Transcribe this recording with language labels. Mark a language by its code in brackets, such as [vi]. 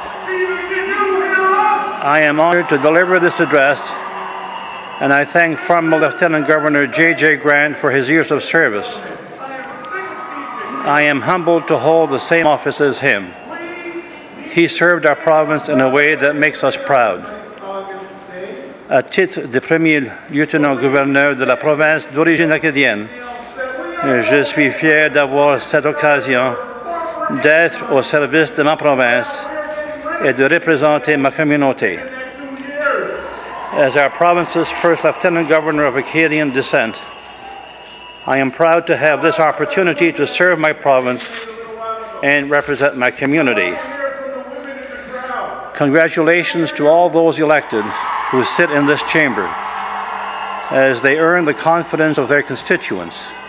[en] I am honoured to deliver this address, and I thank former Lieutenant Governor J.J. Grant for his years of service. I am humbled to hold the same office as him. He served our province in a way that makes us proud. [fr] À titre de premier lieutenant-gouverneur de la province d'origine acadienne, je suis fier d'avoir cette occasion d'être au service de ma province et de représenter ma communauté. [en] As our province's first Lieutenant Governor of Acadian descent, I am proud to have this opportunity to serve my province and represent my community. Congratulations to all those elected who sit in this chamber as they earn the confidence of their constituents.